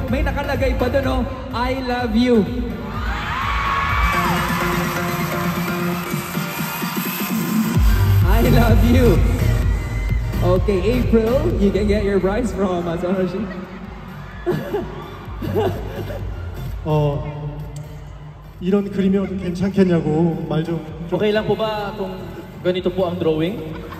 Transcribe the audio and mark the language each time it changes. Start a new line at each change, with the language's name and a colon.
Filipino: May nakalagay pa dun, oh,
English: I love you. I love you. Okay, April, you can get your prize from us, Tanashi. Oh.
Korean: 이런 그림이면 괜찮겠냐고 말 좀.
Filipino: 오케이 lang po ba kung ganito po ang drawing?